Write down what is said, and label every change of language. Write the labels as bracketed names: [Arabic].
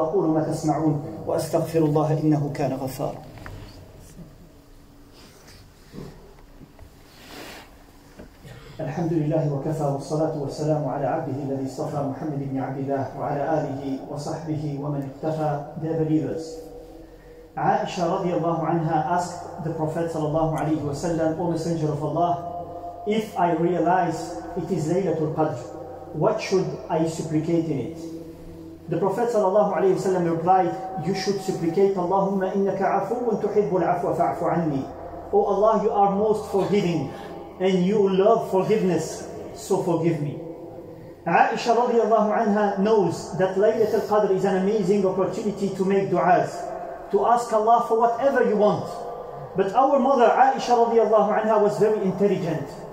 [Arabic] قولوا ما تسمعون وأستغفر الله إنه كان غفارا. الحمد لله وكفى، والصلاة والسلام على عبده الذي اصطفى محمد بن عبد الله وعلى آله وصحبه ومن اقتفى. [English] The believers. عائشة رضي الله عنها asked the Prophet صلى الله عليه وسلم, O Messenger of Allah, if I realize it is Laylatul Qadr, what should I supplicate in it? The Prophet صلى الله عليه وسلم replied, You should supplicate [Arabic] اللهم إنك عفو تحب العفو فاعف عني. [English] O Allah, you are most forgiving and you love forgiveness, so forgive me. Aisha radiallahu anha knows that Laylatul Qadr is an amazing opportunity to make du'as, to ask Allah for whatever you want. But our mother Aisha radiallahu anha was very intelligent.